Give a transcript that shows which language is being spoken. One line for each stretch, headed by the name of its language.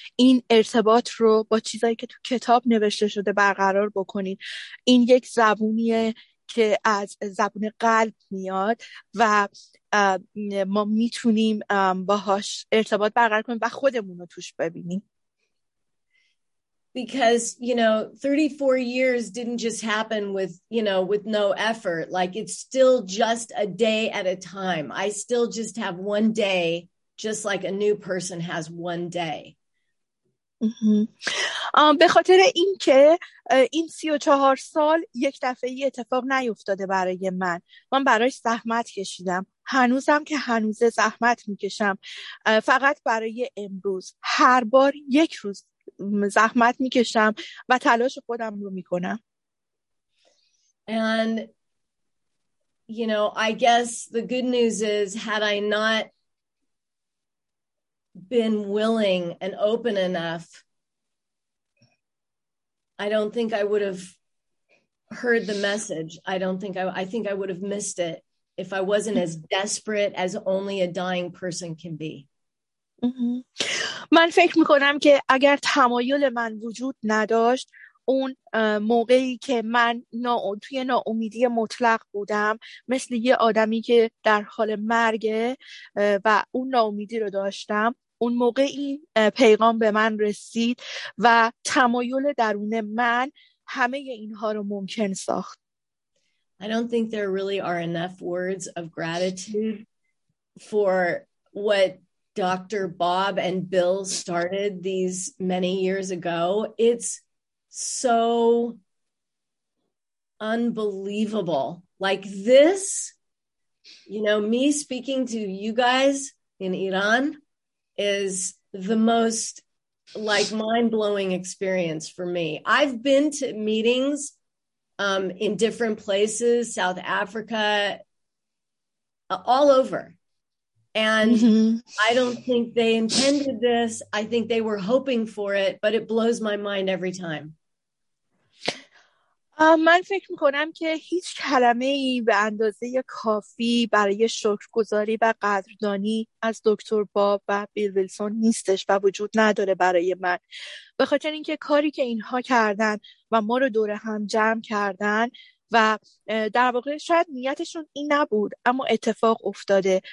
Persian: این ارتباط رو با چیزایی که تو کتاب نوشته شده برقرار بکنید. این یک زبونیه که از زبون قلب میاد و ما میتونیم باهاش ارتباط برقرار کنیم و خودمون رو توش ببینیم.
English: Because, you know, 34 years didn't just happen with, you know, with no effort. Like, it's still just a day at a time. I still just have one day, just like a new person has one day.
Persian: به خاطر این که این 34 سال یک دفعه ای اتفاق نیفتاده برای من. من برایش زحمت کشیدم. هنوزم که هنوز زحمت میکشم. فقط برای امروز. هر بار یک روز زحمت میکشم و تلاش خودم رو میکنم.
English: And you know, I guess the good news is, had I not been willing and open enough, I don't think I would have heard the message. I think I would have missed it if I wasn't as desperate as only a dying person can be.
Persian: من فکر میکنم که اگر تمایل من وجود نداشت اون موقعی که من توی ناامیدی مطلق بودم، مثل یه آدمی که در حال مرگه و اون ناامیدی رو داشتم، اون موقع این پیغام به من رسید و تمایل درون من همه اینها رو ممکن ساخت.
English: I don't think there really are enough words of gratitude for what Dr. Bob and Bill started these many years ago. It's so unbelievable. Like this, you know, me speaking to you guys in Iran is the most like mind-blowing experience for me. I've been to meetings in different places, South Africa, all over. And I don't think they intended this. I think they were hoping for it, but it blows my mind every time.
Persian: من فکر میکنم که هیچ کلمه ای به اندازه کافی برای شکرگزاری و قدردانی از دکتر باب و بیل ویلسون نیستش و وجود نداره برای من. به خاطر اینکه کاری که اینها کردن و ما رو دور هم جمع کردن و در واقع شاید نیتشون این نبود، اما اتفاق افتاده.